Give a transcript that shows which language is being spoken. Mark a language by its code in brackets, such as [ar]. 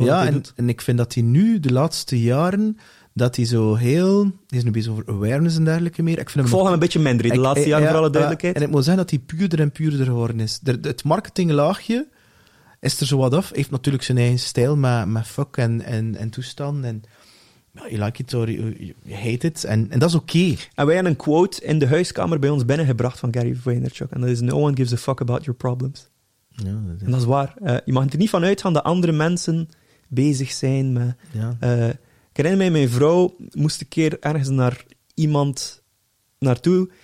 [nl] Ja, en ik vind dat hij nu, de laatste jaren, dat hij zo heel... Hij is nu bezig over awareness en dergelijke meer. Ik volg hem een beetje minder, de laatste jaren, voor alle duidelijkheid. En ik moet zeggen dat hij puurder en puurder geworden is. Het marketinglaagje is er zo wat af. Hij heeft natuurlijk zijn eigen stijl met fuck en toestand. En, [en] you like it or you hate it. [nl] En dat is oké. En wij hebben een quote in de huiskamer bij ons binnengebracht van Gary Vaynerchuk. En dat is: [en] "No one gives a fuck about your problems." [nl] Ja, dat is waar. Je mag er niet van uitgaan dat andere mensen bezig zijn met... Ja. Ik herinner mij, mijn vrouw moest een keer ergens naar iemand naartoe.